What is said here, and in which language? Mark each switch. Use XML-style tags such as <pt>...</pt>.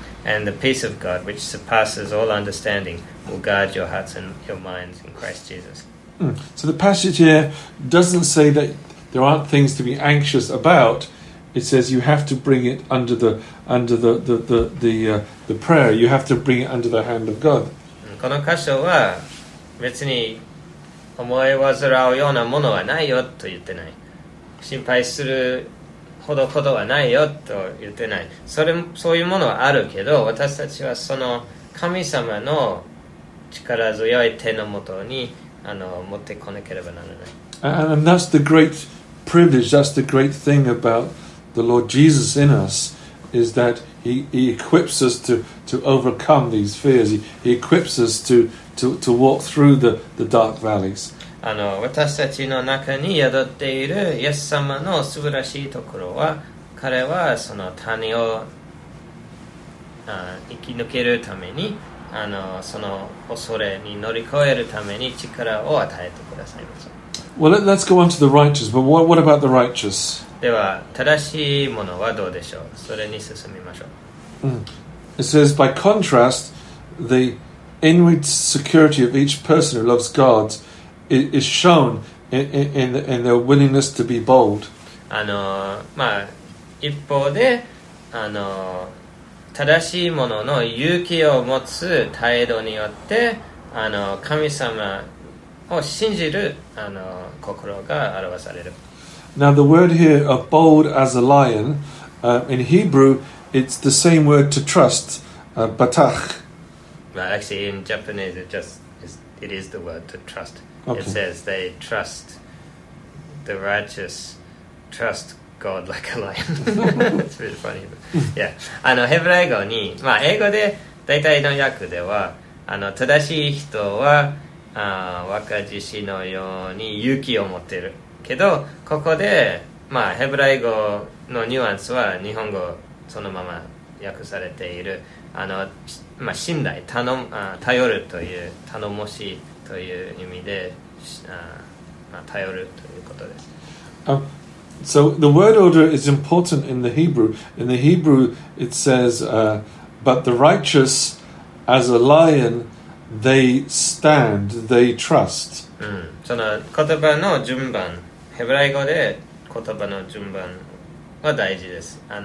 <en>And the peace of God, which surpasses all understanding, will guard your hearts and your minds in Christ Jesus. So the passage here doesn't say that there aren't things to be anxious about. It says you have to bring it under the prayer. You have to bring it under the hand of God.</en> <ja>この箇所は別に思い煩うようなものはないよと言ってない。心配するほどほどはないよと言ってない。それそういうものはあるけど、私たちはその神様の力強い手のもとに持ってこなければならない。</ja> <en>And that's the great privilege. That's the great thing about the Lord Jesus in us is that he equips us to overcome these fears. He equips us to walk through the dark valleys.</en> <ja>私たちの中に宿っているイエス様の素晴らしいところは、彼はその谷を生き抜けるために、その恐れに乗り越えるために力を与えてくださいます。</ja> <en>Well, let's go on to the righteous, but what about the righteous?</en> <ja>では正しいものはどうでしょう。それに進みましょう。</ja> <en>It says, by contrast, the inward security of each person who loves God is shown in their willingness to be bold. Now the word here of bold as a lion, in Hebrew, it's the same word to trust, batach. Well, actually, in Japanese, it is the word to trust. Okay. It says they trust the righteous, trust God like a lion. It's really funny. Yeah.</en> <ja>ヘブライ語に、まあ、英語で大体の訳では、正しい人は若獅子のように勇気を持ってるけど、ここで、まあ、ヘブライ語のニュアンスは日本語そのまま訳されている。まあ、信頼、頼るという、頼もしいという意味で、まあ、頼るということです。</ja> <en>So the word order is important in the Hebrew. In the Hebrew, it says, but the righteous, as a lion, they stand, they trust.</en> <ja>その言葉の順番、ヘブライ語で言葉の順番は大事です。</ja>